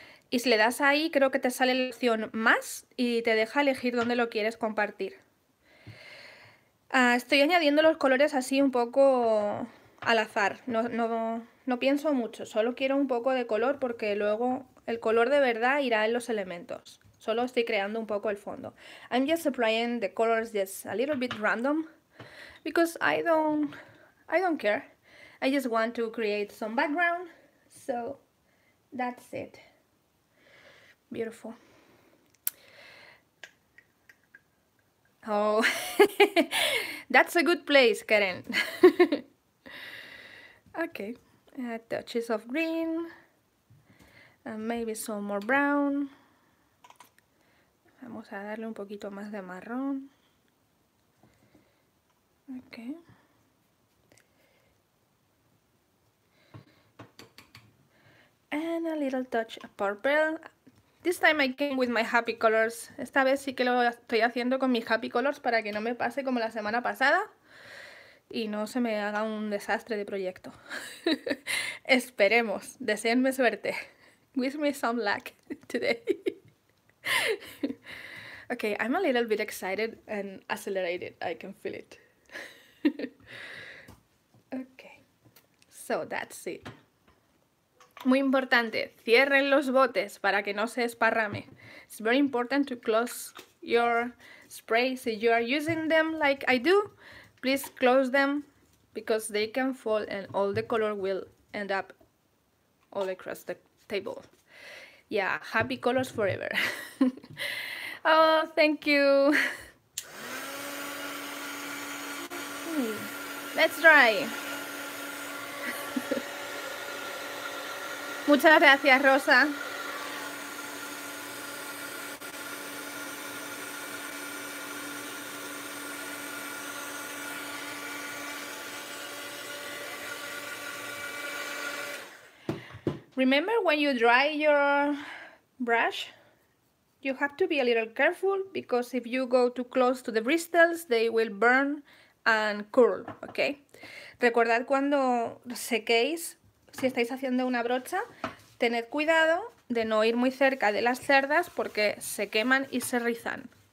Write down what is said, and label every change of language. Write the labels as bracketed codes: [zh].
[es] Y si le das ahí, creo que te sale la opción más y te deja elegir dónde lo quieres compartir. Estoy añadiendo los colores así un poco al azar. No pienso mucho, solo quiero un poco de color porque luego el color de verdad irá en los elementos. Solo estoy creando un poco el fondo. [en] I'm just applying the colors just a little bit random because I don't care. I just want to create some background. So that's it. Beautiful. Oh, that's a good place, Karen. Okay, touches of green and maybe some more brown. [es] Vamos a darle un poquito más de marrón. [en] Okay. And a little touch of purple. This time I came with my happy colors. [es] Esta vez sí que lo estoy haciendo con mis happy colors para que no me pase como la semana pasada y no se me haga un desastre de proyecto. Esperemos. Deseenme suerte. [en] Wish me some luck today. Okay, I'm a little bit excited and accelerated. I can feel it. Okay. So that's it. [es] Muy importante, cierren los botes para que no se esparrame. [en] It's very important to close your sprays. If you are using them like I do, please close them because they can fall and all the color will end up all across the table. Yeah, happy colors forever. Oh, thank you. Let's try. [es] Muchas gracias, Rosa. [en] Remember when you dry your brush? You have to be a little careful because if you go too close to the bristles, they will burn and curl, okay? [es] Recordad cuando sequéis. Si estáis haciendo una brocha, tened cuidado de no ir muy cerca de las cerdas porque se queman y se rizan.